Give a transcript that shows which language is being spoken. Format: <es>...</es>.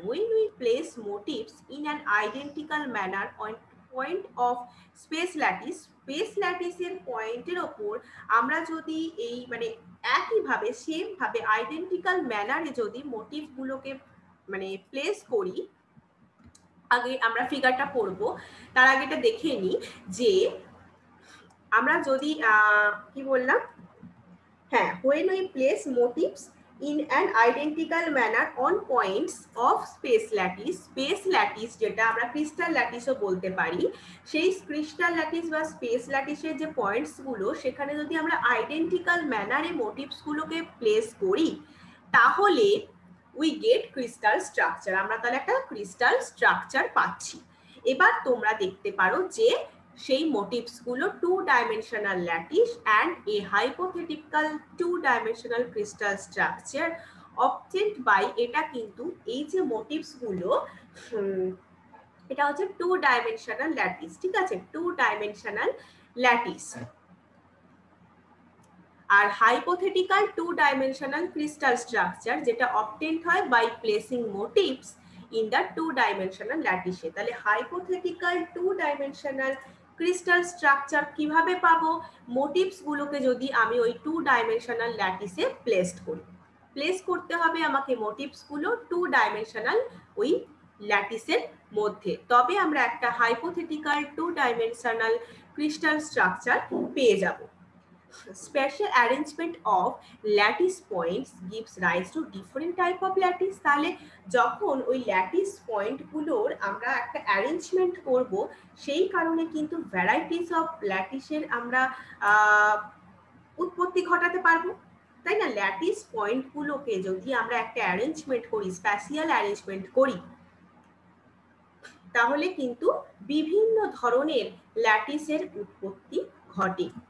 <en>when we place motifs in an identical manner on point of space lattice,</en> <bn>space ল্যাটিসের পয়েন্টের ওপর আমরা যদি এই মানে একইভাবে সেমভাবে আইডেন্টিক্যাল ম্যানারে যদি মোটিভগুলোকে মানে প্লেস করি, আগে আমরা ফিগারটা পড়বো, তার আগে এটা দেখে নিই যে আমরা যদি কি বললাম, হ্যাঁ,</bn> <en>when we place motifs in an identical manner on points of space lattice</en> <bn>যেটা আমরা crystal latticeও বলতে পারি, সেই crystal lattice বা space latticeের যে points গুলো সেখানে যদি আমরা identical manner এ motifs গুলোকে place করি, তাহলে</bn> <en>we get crystal structure.</en> <bn>আমরা তাহলে একটা crystal structure পাচ্ছি। এবার তোমরা দেখতে পারো যে সেই মোটিভস গুলো</bn> <en>two dimensional lattice and a hypothetical two dimensional crystal structure obtained by,</en> <bn>এটা কিন্তু এই যে মোটিভস গুলো এটা হচ্ছে টু ডাইমেনশনাল ল্যাটিস, ঠিক আছে, টু ডাইমেনশনাল ল্যাটিস। আর hypothetical two dimensional crystal structure যেটা অবটেইনড হয়</bn> <en>by placing motifs in the two dimensional lattice,</en> <bn>তাহলে hypothetical two dimensional crystal structure কিভাবে পাবো, motifs গুলোকে যদি আমি ওই two dimensional lattice এ placed করি, place করতে হবে আমাকে motifs গুলো two dimensional ওই lattice এর মধ্যে, তবে আমরা একটা hypothetical two dimensional crystal structure পেয়ে যাব।</bn> <en>Special arrangement of lattice points gives rise to different type of lattice.</en> <bn>তাহলে যখন ওই lattice point গুলোর আমরা একটা arrangement করব, সেই কারণে কিন্তু varieties of lattice এর আমরা উৎপত্তি ঘটাতে পারবো, তাই না? Lattice point গুলোকে যদি আমরা একটা arrangement করি, special arrangement করি, তাহলে কিন্তু বিভিন্ন ধরনের lattice এর উৎপত্তি ঘটে।</bn>